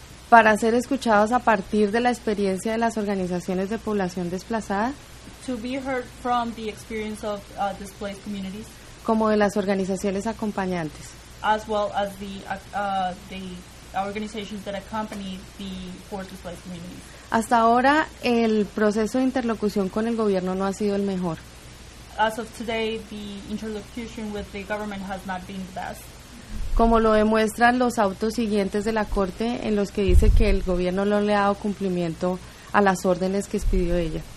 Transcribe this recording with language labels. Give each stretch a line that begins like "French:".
Spanish: Para ser escuchados a partir de la experiencia de las organizaciones de población desplazada.
English: To be heard from the experience of displaced communities.
Spanish: Como de las organizaciones acompañantes.
English: As well as the organizations that accompany the forced displaced communities.
Spanish: Hasta ahora, el proceso de interlocución con el gobierno no ha sido el mejor.
English: As of today, the interlocution with the government has not been the best.
Spanish: Como lo demuestran los autos siguientes de la Corte en los que dice que el gobierno no le ha dado cumplimiento a las órdenes que expidió ella.